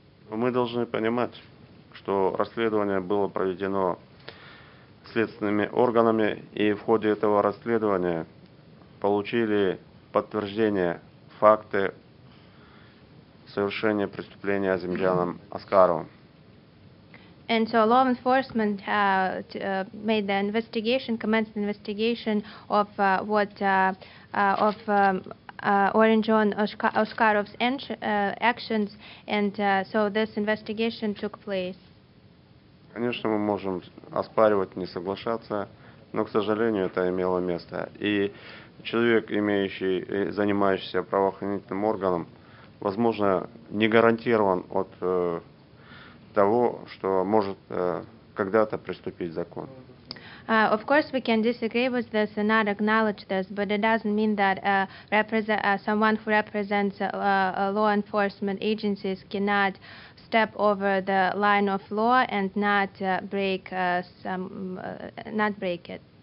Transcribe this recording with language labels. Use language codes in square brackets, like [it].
[ru] Мы должны понимать, что расследование было проведено следственными органами, и в ходе этого расследования получили подтверждение факты совершения преступления Азимжаном Аскаровым. [en] And so law enforcement made the investigation, commenced the investigation of Orenjon Oskarov's actions, and so this investigation took place. [ru] Конечно, мы можем оспаривать, не соглашаться, но, к сожалению, это имело место. И человек, занимающийся правоохранительным органом, возможно, не гарантирован от того, что может когда-то преступить закон. [en] Of course, we can disagree with this and not acknowledge this, but it doesn't mean that someone who represents a law enforcement agencies cannot step over the line of law and not break it.